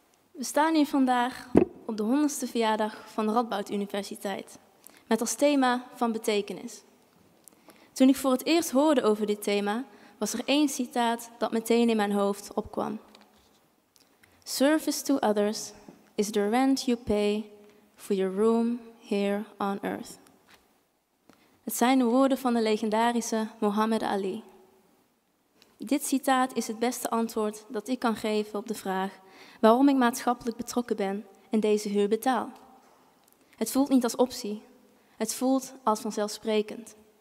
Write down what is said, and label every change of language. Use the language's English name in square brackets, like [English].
[Dutch] We staan hier vandaag op de 100ste verjaardag van de Radboud Universiteit, met als thema van betekenis. Toen ik voor het eerst hoorde over dit thema, was er één citaat dat meteen in mijn hoofd opkwam. [English] Service to others is the rent you pay for your room here on earth. [Dutch] Het zijn de woorden van de legendarische Muhammad Ali. Dit citaat is het beste antwoord dat ik kan geven op de vraag waarom ik maatschappelijk betrokken ben en deze huur betaal. Het voelt niet als optie, het voelt als vanzelfsprekend.